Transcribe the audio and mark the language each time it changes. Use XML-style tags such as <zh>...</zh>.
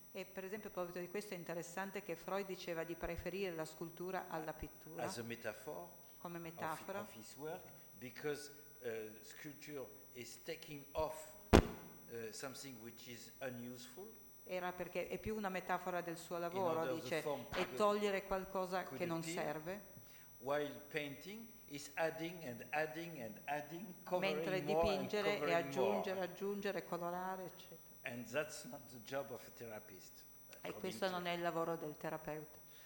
<it>E per esempio, a proposito di questo, è interessante che Freud diceva di preferire la scultura alla pittura.</it> <en>As a metaphor.</en> <it>Come metafora</it> <en>of his work, because sculpture is taking off something which is unuseful.</en> <it>Era perché è più una metafora del suo lavoro, dice, e togliere qualcosa che non serve.</it> <en>While painting is adding and adding and adding,</en> <it>mentre dipingere è aggiungere, colorare, eccetera.</it> <en>And that's not the job of a therapist.</en> <it>E questo non è il lavoro del terapeuta.</it>